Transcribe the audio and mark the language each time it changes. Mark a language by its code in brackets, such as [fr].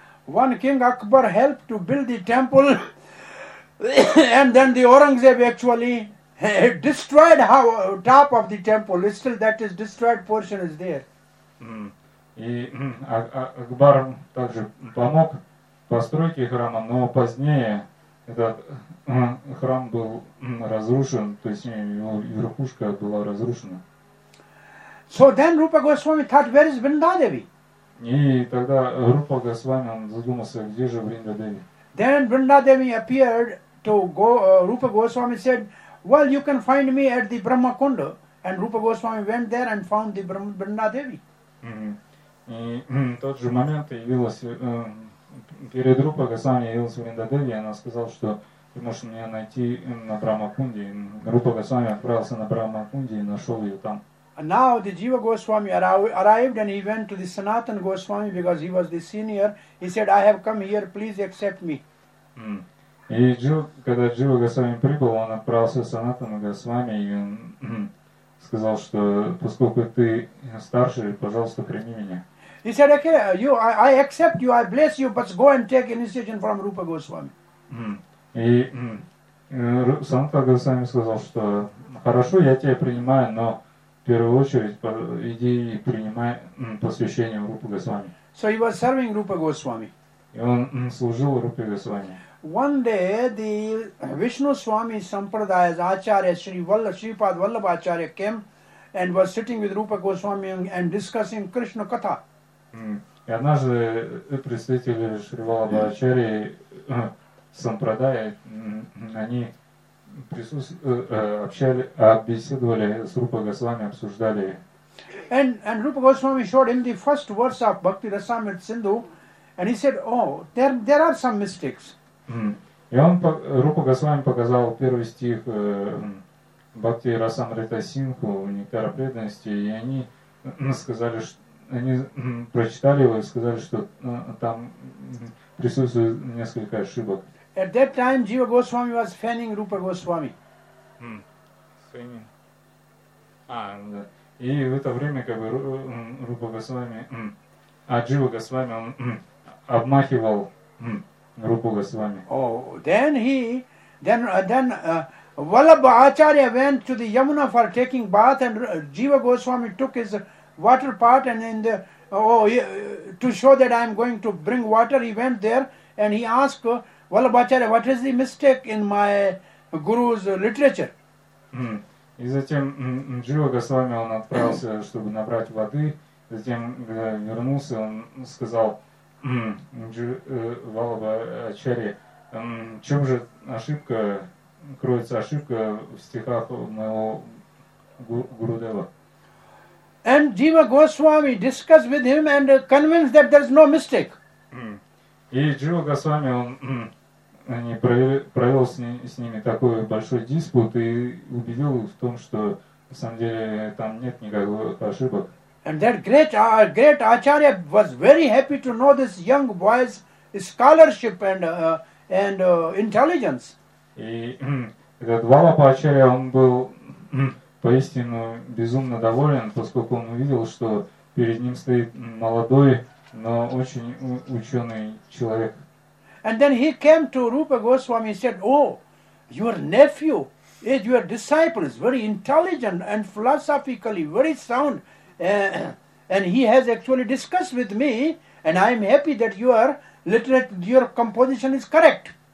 [en] One King Akbar helped to build the temple, and then the Aurangzeb actually destroyed the top of the temple. Still, that is destroyed portion is there. [ru] И Акбар также помог постройке храма, но позднее этот храм был разрушен, то есть его верхушка была разрушена. [en] So then Rupa Goswami thought, where is Vrindadevi? [ru] И тогда Рупа Госвами задумался, где же Вриндадеви. [en] Then Vrindadevi appeared to go. Rupa Goswami said, "Well, you can find me at the Brahma Kunda." And Rupa Goswami went there and found the Vrindadevi. [ru] И тот же момент явилась перед Рупа Госвами явилась Вриндадеви, и она сказала, что ты можешь меня найти на Брахма Кунде. Рупа Госвами отправился на Брахма Кунде и нашел ее там. [en] Now the Jiva Goswami arrived and he went to the Sanatan Goswami because he was the senior. He said, "I have come here, please accept me." [ru] И когда Джива Госвами прибыл, он отправился к Санатану Госвами, и он сказал, что поскольку ты старший, пожалуйста, прими меня. [en] He said, "Okay, I accept you, I bless you, but go and take initiation from Rupa Goswami." [ru] И Санатан Госвами сказал, что хорошо, я тебя принимаю, но в первую очередь иди и принимай посвящение Рупа Госвами. [en] So he was serving Rupa Goswami. [ru] И он служил Рупе Госвами. [en] One day the Vishnu Swami Sampradaya's Acharya Shripad Vallabha Acharya came and was sitting with Rupa Goswami and discussing Krishna Katha. [ru] И однажды представители Шривала Бхачари Сампрадая, они беседовали с Рупа Госвами, обсуждали. [en] And Rupa Goswami showed him the first verse of Bhakti Rasamrita Sindhu, and he said, oh, there are some mistakes. [ru] И он, Рупа Госвами, показал первый стих Бхакти Расамрита Синху, Нектара преданности, и они сказали, что они прочитали его и сказали, что там присутствует несколько ошибок. [en] At that time, Jiva Goswami was fanning Rupa Goswami. Fanning. [ru] Да. И в это время, как бы, Рупа Госвами, Jiva Goswami, он обмахивал Рупа Госвами. [en] Oh, then Vallabha Acharya went to the Yamuna for taking bath, and Jiva Goswami took his water pot, and in the to show that I am going to bring water, he went there and he asked Vallabhacharya, what is the mistake in my guru's literature? [ru] И затем Джива Госвами он отправился, чтобы набрать воды. Затем вернулся, он сказал Vallabhacharya, чем же ошибка кроется, ошибка в стихах моего гурудева? [en] And Jiva Goswami discussed with him and convinced that there is no mistake. [ru] И Jiva Goswami, он провел с ними такой большой диспут и убедил в том, что на самом деле там нет никакого ошибок. [en] And that great Acharya was very happy to know this young boy's scholarship and intelligence. [ru] И этот Vallabha Acharya, он был поистину безумно доволен, поскольку он увидел, что перед ним стоит молодой, но очень ученый человек. [en] And then he came to Rupa Goswami and said, oh, your nephew is your disciple, is very intelligent and philosophically very sound, and he has actually discussed with me, and I am happy that your literature, your composition is correct.